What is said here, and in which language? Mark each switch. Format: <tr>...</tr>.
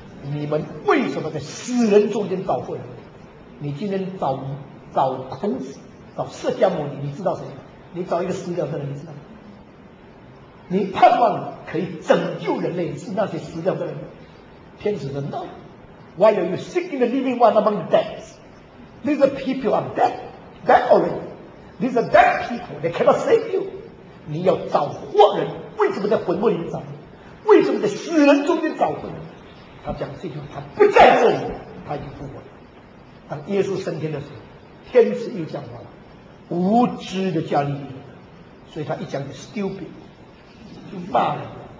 <zh>你们为什么在死人中间找回来？你今天找孔子，找释迦牟尼，你知道谁？你找一个死掉的人，你知道吗？你盼望可以拯救人类，是那些死掉的人。天使说</zh> <en>：“No, why are you seeking the living one among the dead? These people are dead, dead already. These are dead people. They cannot save you.</en> <zh>你要找活人，为什么在坟墓里面找？为什么在死人中间找回来？” 他讲这句话，他不在这里，他已经复活了。当耶稣升天的时候，天使又讲话了：“无知的加利利，所以他一讲就 stupid， 就骂人了。</zh>